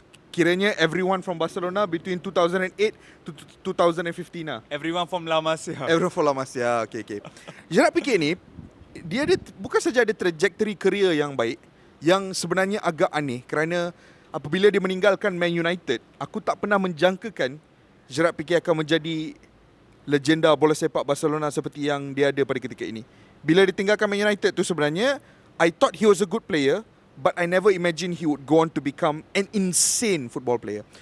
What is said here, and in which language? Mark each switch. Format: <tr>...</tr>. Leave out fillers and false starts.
<en>Kiranya everyone from Barcelona between 2008 to 2015 lah. Everyone from La Masia. Everyone from La Masia. Okay.</en> <ms>Gerard Pique ni, dia ada, bukan saja ada trajectory career yang baik, yang sebenarnya agak aneh kerana apabila dia meninggalkan Man United, aku tak pernah menjangkakan Gerard Pique akan menjadi legenda bola sepak Barcelona seperti yang dia ada pada ketika ini. Bila ditinggalkan Man United tu sebenarnya,</ms> <en>I thought he was a good player, but I never imagine he would go on to become an insane football player.</en>